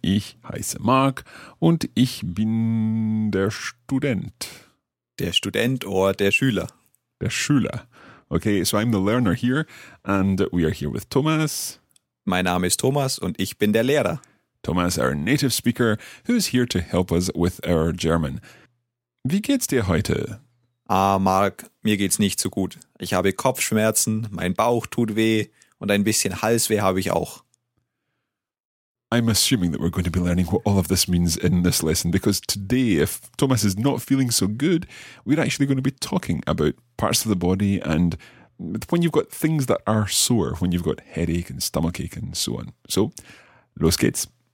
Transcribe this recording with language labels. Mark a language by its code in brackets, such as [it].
[de] Ich heiße Mark und ich bin der Student. Der Student or der Schüler. Der Schüler. [en] Okay, so I'm the learner here and we are here with Thomas. [de] Mein Name ist Thomas und ich bin der Lehrer. [en] Thomas, our native speaker, who is here to help us with our German. [de] Wie geht's dir heute? Ah, Mark, mir geht's nicht so gut. Ich habe Kopfschmerzen, mein Bauch tut weh und ein bisschen Halsweh habe ich auch. [en] I'm assuming that we're going to be learning what all of this means in this lesson, because today, if Thomas is not feeling so good, we're actually going to be talking about parts of the body and when you've got things that are sore, when you've got headache and stomachache and so on. [de] So, los geht's.